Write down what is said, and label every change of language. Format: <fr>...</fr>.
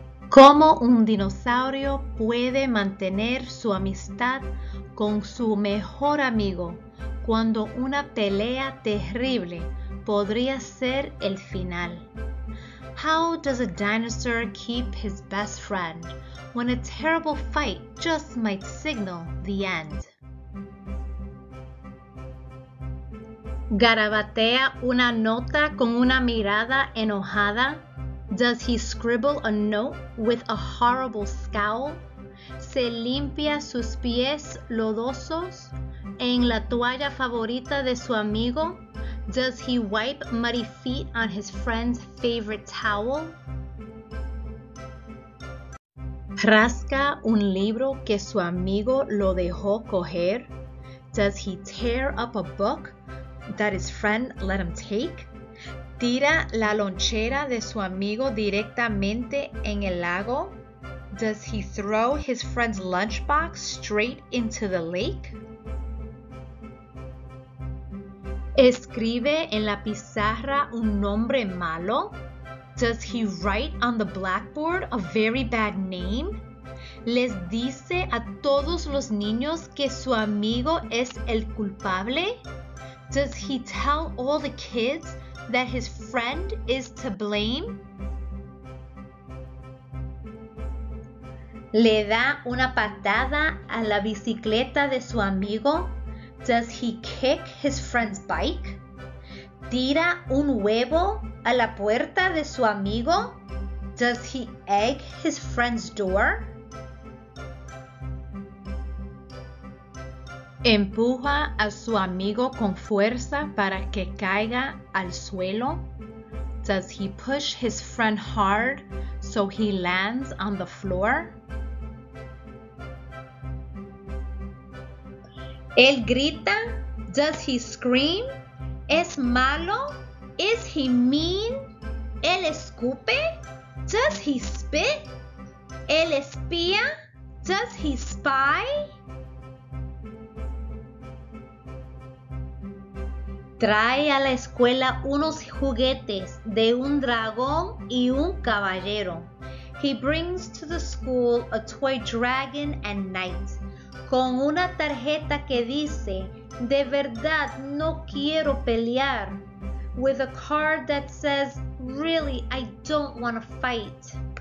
<es>¿Cómo un dinosaurio puede mantener su amistad con su mejor amigo cuando una pelea terrible podría ser el final?</es> <en>How does a dinosaur keep his best friend when a terrible fight just might signal the end?</en> <es>¿Garabatea una nota con una mirada enojada?</es> <en>Does he scribble a note with a horrible scowl?</en> <es>¿Se limpia sus pies lodosos en la toalla favorita de su amigo?</es> <en>Does he wipe muddy feet on his friend's favorite towel?</en> <es>¿Rasca un libro que su amigo lo dejó coger?</es> <en>Does he tear up a book that his friend let him take?</en> <es>¿Tira la lonchera de su amigo directamente en el lago?</es> <en>Does he throw his friend's lunchbox straight into the lake?</en> <es>¿Escribe en la pizarra un nombre malo?</es> <en>Does he write on the blackboard a very bad name?</en> <es>¿Les dice a todos los niños que su amigo es el culpable?</es> <en>Does he tell all the kids that his friend is to blame?</en> <es>¿Le da una patada a la bicicleta de su amigo?</es> <en>Does he kick his friend's bike?</en> <es>¿Tira un huevo a la puerta de su amigo?</es> <en>Does he egg his friend's door?</en> <es>¿Empuja a su amigo con fuerza para que caiga al suelo?</es> <en>Does he push his friend hard so he lands on the floor?</en> <es>¿Él grita?</es> <en>Does he scream?</en> <es>¿Es malo?</es> <en>Is he mean?</en> <es>¿Él escupe?</es> <en>Does he spit?</en> <es>¿Él espía?</es> <en>Does he spy?</en> <es>¿Trae a la escuela unos juguetes de un dragón y un caballero?</es> <en>He brings to the school a toy dragon and knight.</en> <es>Con una tarjeta que dice, de verdad no quiero pelear.</es> <en>With a card that says, really, I don't want to fight.</en>